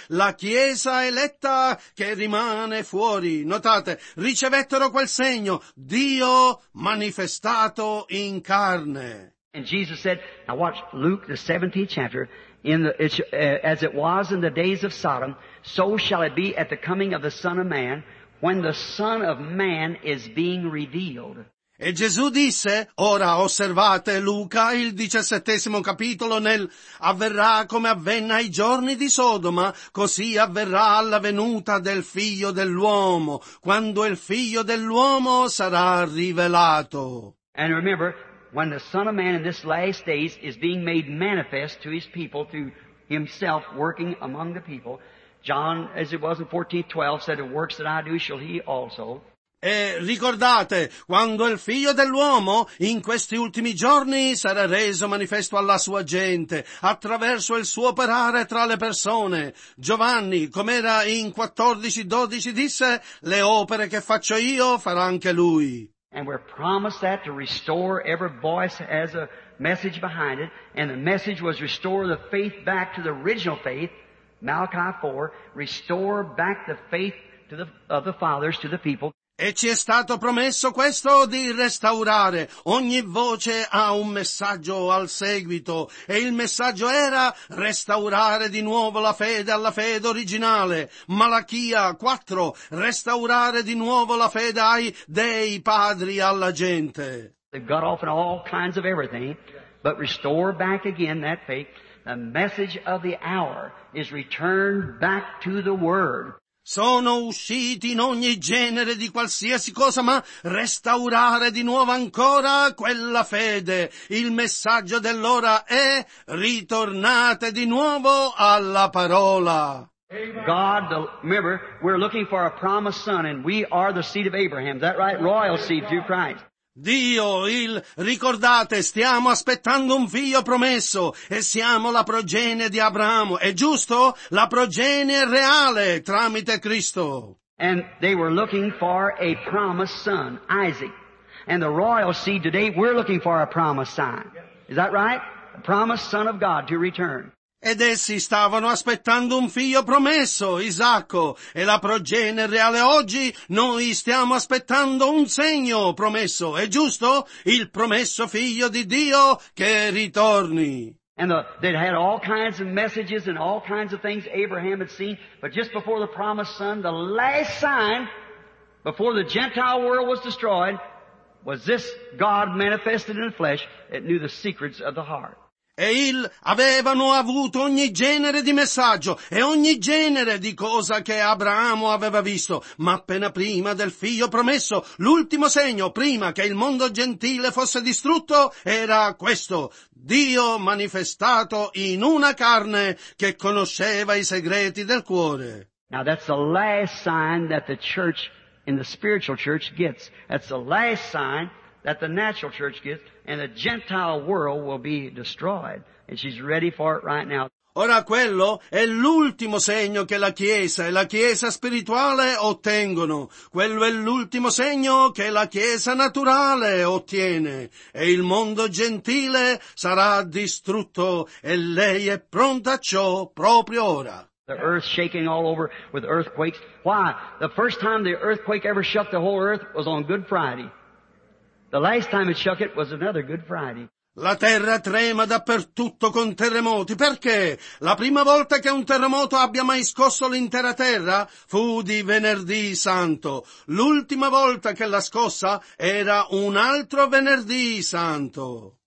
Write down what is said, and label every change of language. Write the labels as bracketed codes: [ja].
[it] La chiesa eletta che rimane fuori. Notate, ricevettero quel segno. Dio manifestato in carne. [en] And Jesus said, now watch Luke, the 17th chapter. As it was in the days of Sodom, so shall it be at the coming of the Son of Man, when the Son of Man is being revealed. [it] E Gesù disse, ora osservate Luca, il 17° capitolo, nel avverrà come avvenne ai giorni di Sodoma, così avverrà alla venuta del Figlio dell'uomo, quando il Figlio dell'uomo sarà rivelato. [en] And remember, when the Son of Man in this last days is being made manifest to his people through himself working among the people, John, as it was in 14:12, said, the works that I do shall he also. [it] E ricordate, quando il Figlio dell'uomo in questi ultimi giorni sarà reso manifesto alla sua gente attraverso il suo operare tra le persone. Giovanni, com'era in 14:12, disse, le opere che faccio io farà anche lui. [en] And we're promised that to restore every voice as a message behind it. And the message was restore the faith back to the original faith, Malachi 4, restore back the faith to the fathers, to the people. [it] E ci è stato promesso questo di restaurare. Ogni voce ha un messaggio al seguito. E il messaggio era restaurare di nuovo la fede alla fede originale. Malachia 4, restaurare di nuovo la fede ai dei padri, alla gente. [en] They've got off in all kinds of everything, but restore back again that faith. The message of the hour is returned back to the Word. [it] Sono usciti in ogni genere di qualsiasi cosa, ma restaurare di nuovo ancora quella fede. Il messaggio dell'ora è ritornate di nuovo alla parola. [en] God, remember, we're looking for a promised son and we are the seed of Abraham. Is that right? Royal seed through Christ. [it] Dio, ricordate, stiamo aspettando un figlio promesso e siamo la progenie di Abramo. È giusto? La progenie reale tramite Cristo. [en] And they were looking for a promised son, Isaac. And the royal seed today, we're looking for a promised son. Is that right? A promised son of God to return. [it] Ed essi stavano aspettando un figlio promesso, Isacco, e la progenie reale oggi, noi stiamo aspettando un segno promesso, è giusto? Il promesso figlio di Dio che ritorni. [en] And they had all kinds of messages and all kinds of things Abraham had seen, but just before the promised son, the last sign, before the Gentile world was destroyed, was this God manifested in flesh that knew the secrets of the heart. [it] E avevano avuto ogni genere di messaggio e ogni genere di cosa che Abramo aveva visto. Ma appena prima del figlio promesso, l'ultimo segno prima che il mondo gentile fosse distrutto era questo. Dio manifestato in una carne che conosceva i segreti del cuore. [en] Now that's the last sign that the church, in the spiritual church, gets. That's the last sign that the natural church gets, and the Gentile world will be destroyed. And she's ready for it right now. [it] Ora quello è l'ultimo segno che la Chiesa e la Chiesa spirituale ottengono. Quello è l'ultimo segno che la Chiesa naturale ottiene. E il mondo gentile sarà distrutto, e lei è pronta a ciò proprio ora. [en] The earth shaking all over with earthquakes. Why? The first time the earthquake ever shook the whole earth was on Good Friday. The last time it shook it was another Good Friday. [it] La terra trema dappertutto con terremoti. Perché? La prima volta che un terremoto abbia mai scosso l'intera terra fu di Venerdì Santo. L'ultima volta che la scossa era un altro Venerdì Santo.